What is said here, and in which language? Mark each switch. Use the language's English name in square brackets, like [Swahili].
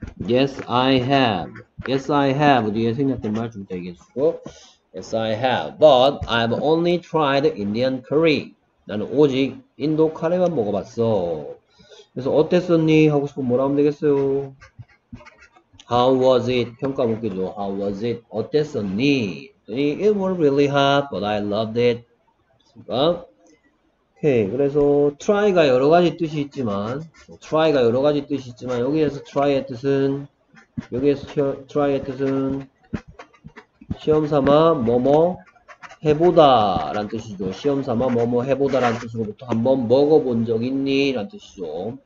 [English] Yes, I have. Yes, I have. [Korean] 뒤에 생략된 말좀 되게 해주고. [English] Yes, I have. But I've only tried Indian curry. [Korean] 나는 오직 인도 카레만 먹어봤어. 그래서 어땠었니? 하고 싶으면 뭐라 하면 되겠어요? [English] How was it? [Korean] 평가 묻기죠. [English] How was it? [Korean] 어땠었니? [English] It was really hot, but I loved it. [Korean] 그러니까 오케이. 그래서 try가 여러 가지 뜻이 있지만 try가 여러 가지 뜻이 있지만 여기에서 try의 뜻은 시험 삼아 뭐뭐 해보다란 뜻이죠. 시험 삼아 뭐뭐 해보다란 뜻으로부터 한번 먹어본 적 있니?란 뜻이죠.